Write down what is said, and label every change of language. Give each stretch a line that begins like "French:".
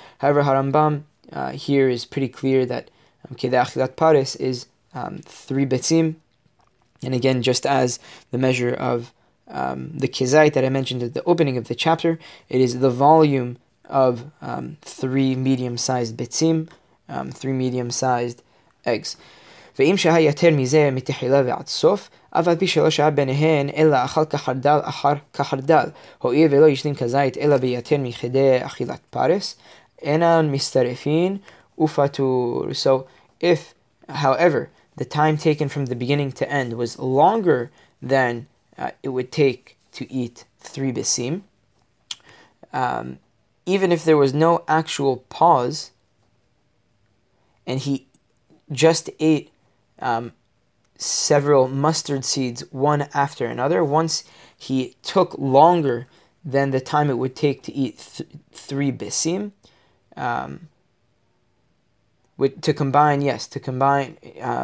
English: However, Harambam here is pretty clear that kede achilat paris is three betzim. And again, just as the measure of the kezait that I mentioned at the opening of the chapter, it is the volume of three medium-sized betzim, three medium-sized eggs.
Hebrew: ואם שהיה יותר מזה מתחילה ועד סוף, אף על פי שלא שהיה ביניהן, אלא אכל כחרדל אחר כחרדל, הואיל ולא ישלים כזית, אלא ביותר מכדי אכילת פרס, אינן מסתרפין ופטור.
English: So, if, however, the time taken from the beginning to end was longer than it would take to eat three besim, even if there was no actual pause, and he just ate several mustard seeds one after another, once he took longer than the time it would take to eat three besim, once he took longer than it